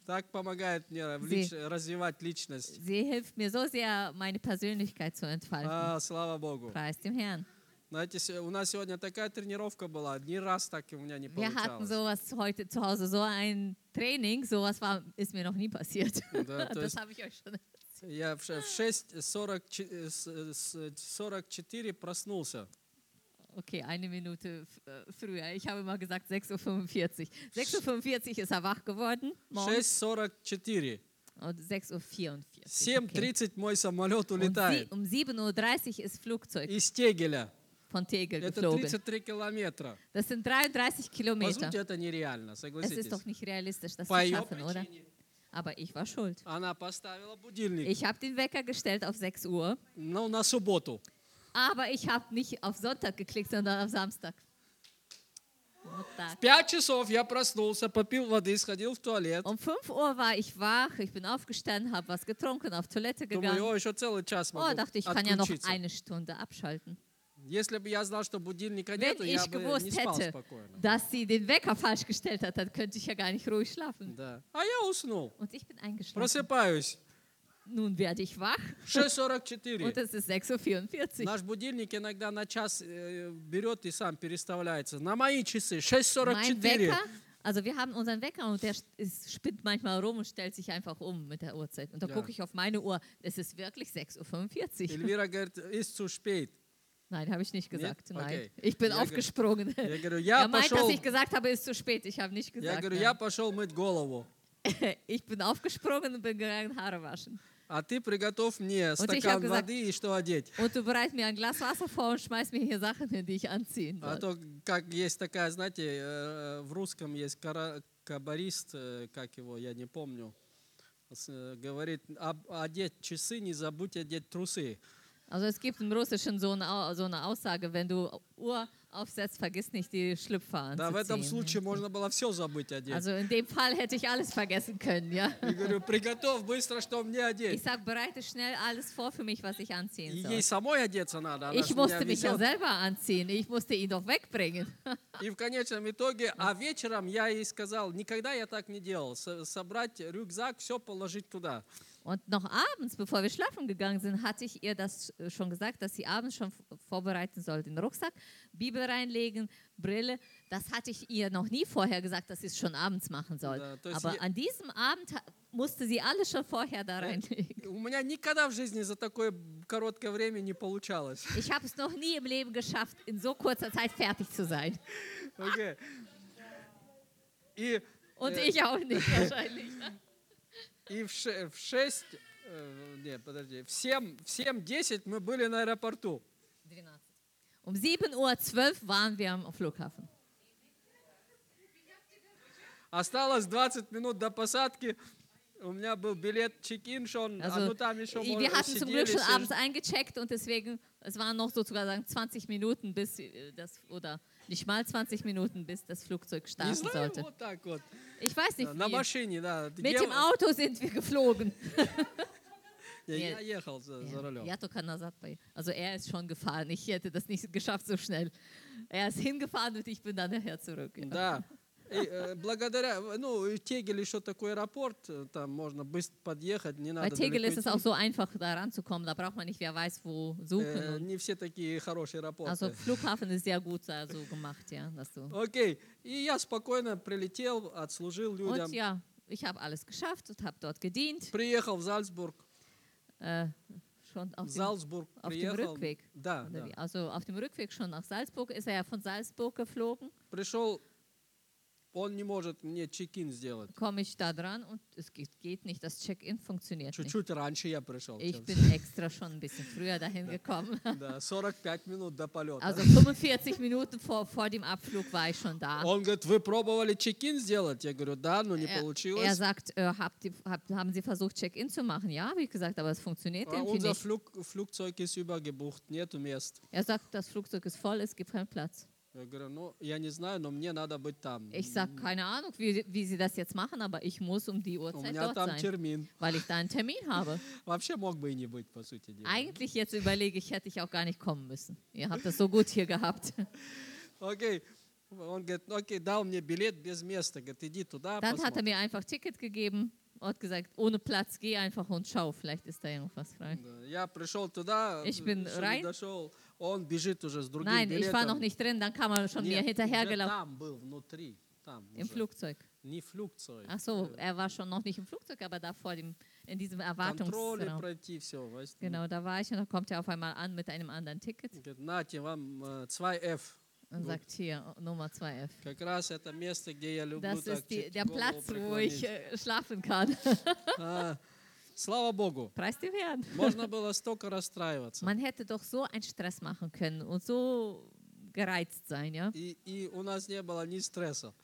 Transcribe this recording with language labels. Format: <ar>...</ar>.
<ru>Так помогает мне развивать личность.</ru> <de>Sie hilft mir so sehr, meine Persönlichkeit zu entfalten.</de> <ru>А, слава Богу.</ru> <de>Preist dem Herrn.</de> <ru>Знаете, у нас сегодня такая тренировка была, ни раз так у меня не получалось.</ru> <de>Wir hatten sowas heute zu Hause, so ein Training, sowas war, ist mir noch nie passiert.</de> <ru>Да,</ru> <de>das</de> <ru>есть,</ru> <de>habe ich euch schon erzählt.</de> <ru>Я в 6:44 проснулся.</ru> <de>Okay, eine Minute früher. Ich habe immer gesagt 6:45. 6:45 ist er wach geworden.</de> <ru>6:44.</ru> <de>Und 6:44.</de> <ru>7:30 мой самолет улетает.</ru> <de>Um 7:30 ist Flugzeug.</de> <ru>Из Тегеля.</ru> <de>Von Tegel geflogen. Das sind 33 Kilometer.</de> <ru>Посмотрите, это нереально, согласитесь.</ru> <de>Es ist doch nicht realistisch, das zu schaffen, oder? Aber ich war schuld.</de> <ru>Она поставила будильник.</ru> <de>Ich habe den Wecker gestellt auf 6 Uhr.</de> <ru>Но на субботу.</ru> <de>Aber ich habe nicht auf Sonntag geklickt, sondern auf Samstag.</de> <ru>В 5 часов я проснулся, попил воды, сходил в туалет.</ru> <de>Um 5 Uhr war ich wach, ich bin aufgestanden, habe was getrunken, auf Toilette gegangen.</de> <ru>Думаю, еще целый час могу отключиться.</ru> <de>Dachte, ich kann ja noch eine Stunde abschalten.</de> <ru>Если бы я знал, что будильника</ru> <de>Wenn</de> <ru>нету, я бы не спал</ru> <de>hätte,</de> <ru>спокойно.</ru> <de>Dass sie den Wecker falsch gestellt hat, dann könnte ich ja gar nicht ruhig schlafen.</de> <ru>Да. А я уснул.</ru> <de>Und ich bin eingeschlafen.</de> <ru>Просыпаюсь.</ru> <de>Nun werde ich wach.</de> <ru>6:44.</ru> <de>Und es ist 6:44.</de> <ru>Наш будильник иногда на час берет и сам переставляется. На мои часы 6:44.</ru> <de>Also wir haben unseren Wecker und der spinnt manchmal rum und stellt sich einfach um mit der Uhrzeit. Und da gucke ich auf meine Uhr, es ist wirklich 6:45. Elvira</de> <ru>говорит,</ru> <de>ist zu spät. Nein, habe ich nicht gesagt. Okay. Nein, ich bin aufgesprungen. Dass ich gesagt habe, ist zu spät. Ich habe nicht gesagt. Ich bin aufgesprungen und bin gegangen, Haare waschen. Und du bereit mir ein Glas Wasser vor und schmeißt mir hier Sachen hin, die ich anziehen soll.</de> <ru>А то как есть такая, знаете, в русском есть каборист, как его, я не помню, говорит, одеть часы, не забудь одеть трусы.</ru> <de>Also es gibt im Russischen so eine Aussage, wenn du Uhr aufsetzt, vergiss nicht die Schlüpfer anzuziehen.</de> <ru>Да, в этом случае можно было все забыть одеть.</ru> <de>Also in dem Fall hätte ich alles vergessen können, ja. Ich</de> <ru>говорю, приготовь быстро, что мне одеть.</ru> <de>Ich sag, bereite schnell alles vor für mich, was ich anziehen soll.</de> <ru>Ей самой одеться надо.</ru> <de>Ich musste mich ja selber anziehen, ich musste ihn doch wegbringen.</de> <ru>И в конечном итоге, а вечером я ей сказал, никогда я так не делал, собрать рюкзак, все положить туда.</ru> <de>Und noch abends, bevor wir schlafen gegangen sind, hatte ich ihr das schon gesagt, dass sie abends schon vorbereiten soll, den Rucksack, Bibel reinlegen, Brille. Das hatte ich ihr noch nie vorher gesagt, dass sie es schon abends machen soll. Aber an diesem Abend musste sie alles schon vorher da reinlegen.</de> <ru>У меня никогда в жизни за такое короткое время не получалось.</ru> <de>Ich habe es noch nie im Leben geschafft, in so kurzer Zeit fertig zu sein. Okay. Und ich auch nicht wahrscheinlich.</de> <ru>И в 6, нет, подожди, в 7:10 мы были на аэропорту. 12.</ru> <de>Um 7:12 waren wir am Flughafen.</de> <ru>Осталось 20 минут до посадки. У меня был билет чек-ин</ru> <de>schon, also,</de> <ru>а ну там еще можно сидели.</ru> <de>Wir hatten zum Glück schon abends eingecheckt und deswegen, es waren noch sozusagen 20 Minuten bis das, oder nicht mal 20 Minuten, bis das Flugzeug starten</de> <ru>знаю,</ru> <de>sollte.</de> <ru>Вот так вот.</ru> <de>Ich weiß nicht,</de> <ru>на машине, да.</ru> <de>Mit dem Auto sind wir geflogen.</de> <ru>Я ехал за рулем. Я только назад поехал.</ru> <de>Also er ist schon gefahren. Ich hätte das nicht geschafft so schnell. Er ist hingefahren und ich bin dann nachher zurück.</de> <ru>Да. Благодаря, ну, Тегель еще такой аэропорт, там можно быстро подъехать, не надо.</ru> <de>Bei Tegel ist es auch so einfach, da ranzukommen. Da braucht man nicht, wer weiß wo suchen.</de> <ru>Не все такие хорошие аэропорты.</ru> <de>Also Flughafen ist sehr gut so gemacht, ja, dass du.</de> <ru>Okay, и я спокойно прилетел, отслужил людям.</ru> <de>Und ja, ich habe alles geschafft und habe dort gedient.</de> <ru>Приехал в Salzburg.</ru> <de>Schon auf Salzburg dem, auf dem Rückweg.</de> <ru>Да, да.</ru> <de>Also auf dem Rückweg schon nach Salzburg ist er ja von Salzburg geflogen.</de> <ru>Пришел. Он не может мне чек-ин сделать.</ru> <de>Komme ich da dran und es geht nicht, das Check-in funktioniert nicht.</de> <ru>Чуть-чуть раньше я пришел.</ru> <de>Ich bin extra schon ein bisschen früher dahin gekommen.</de> <ru>Да, 45 минут до полета.</ru> <de>Also 45 Minuten vor dem Abflug war ich schon da.</de> <ru>Он говорит, вы пробовали чек-ин сделать? Я говорю, да, но не получилось.</ru> <de>Er sagt, haben Sie versucht, Check-in zu machen? Ja, habe ich gesagt, aber es funktioniert irgendwie nicht. Unser Flugzeug ist übergebucht,</de> <ru>нет мест.</ru> <de>Er sagt, das Flugzeug ist voll, es gibt keinen Platz.</de> <ru>Я говорю, ну, я не знаю, но мне надо быть там.</ru> <de>Ich sag, keine Ahnung, wie sie das jetzt machen, aber ich muss um die Uhrzeit dort sein.</de> <ru>У меня там термин.</ru> <de>Weil ich da einen Termin habe.</de> <ru>Вообще мог бы и не быть, по сути дела.</ru> <de>Eigentlich, jetzt überlege ich, hätte ich auch gar nicht kommen müssen. Ihr habt das so gut hier gehabt. Okay.</de> <ru>Он говорит, okay, дал мне билет без места. Говорит, иди туда, посмотри.</ru> <de>Dann hat er mir einfach Ticket gegeben und gesagt, ohne Platz, geh einfach und schau, vielleicht ist da irgendwas frei.</de> <ru>Я пришел туда,</ru> <de>ich bin rein.</de> <ru>Он бежит уже с другим</ru> <de>Nein,</de> <ru>билетом.</ru> <de>Ich war noch nicht drin, dann kam er schon</de> <ru>Нет,</ru> <de>mir hinterhergelaufen.</de> <ru>Там был, внутри. Там</ru> <de>Im Flugzeug.</de> <ru>Не Flugzeug.</ru> <de>Ach so, er war schon noch nicht im Flugzeug, aber da vor dem, in diesem Erwartungsraum.</de> <ru>Контроле пройти, все,</ru> <de>weißt du. Genau, da war ich und da kommt er auf einmal an mit einem anderen Ticket.</de> <ru>Нате, вам 2F.</ru> <de>Und sagt hier, Nummer 2F.</de> <ru>Как раз это место, где я люблю</ru> <de>Das</de> <ru>так,</ru> <de>ist die, der Platz, wo ich schlafen kann.</de> <ru>Слава Богу.</ru> <de>Preis dem Herrn.</de> <ru>Можно было столько расстраиваться.</ru> <de>Man hätte doch so einen Stress machen können und so gereizt sein, ja?</de> <ru>И у нас не было ни стресса.</ru>